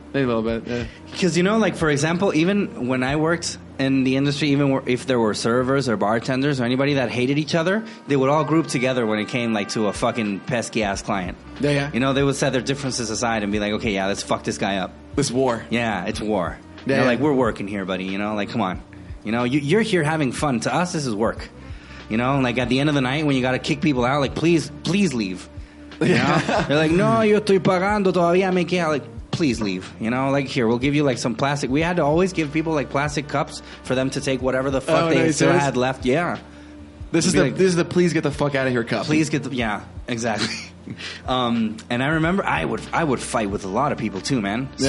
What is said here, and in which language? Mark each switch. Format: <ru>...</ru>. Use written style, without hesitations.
<en>Because, you know, like, for example, even when I worked in the industry, even if there were servers or bartenders or anybody that hated each other, they would all group together when it came, like, to a fucking pesky-ass client. Yeah, yeah. You know, they would set their differences aside and be like, okay, yeah, let's fuck this guy up. This war. Yeah, it's war. Yeah, you know, yeah. Like, we're working here, buddy, you know? Like, come on. You know, you're here having fun. To us, this is work. You know, like at the end of the night when you got to kick people out, like, please leave. You know? They're like,</en> <es>no, yo estoy pagando todavía, me queda.</es> <en>Like, please leave. You know, like, here, we'll give you like some plastic. We had to always give people like plastic cups for them to take whatever the fuck had left. Yeah. This is the please get the fuck out of here cup. Please get the, yeah, exactly. And I remember I would fight with a lot of people too, man. Yeah.</en>